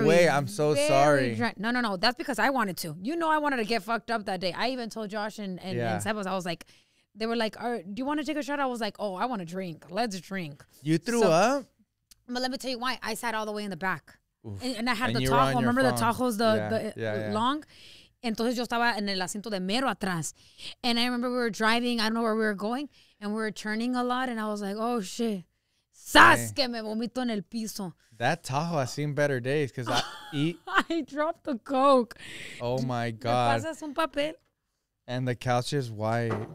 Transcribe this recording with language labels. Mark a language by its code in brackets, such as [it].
[en] No way, I'm so sorry. No. That's because I wanted to. You know I wanted to get fucked up that day. I even told Josh and Sebas, I was like... They were like, do you want to take a shot? I was like, oh, I want to drink. Let's drink. You threw up? But let me tell you why. I sat all the way in the back. And I had the taco. Remember the tacos, the long? [es] Entonces yo estaba en el asiento de mero atrás. [en] And I remember we were driving. I don't know where we were going. And we were turning a lot, and I was like, oh, shit. [es] ¡Sas que me vomito en el piso! [en] That Tahoe has seen better days, because I eat... I dropped the Coke. Oh, my God. [es] ¿Me pasas un papel? [en] And the couch is white.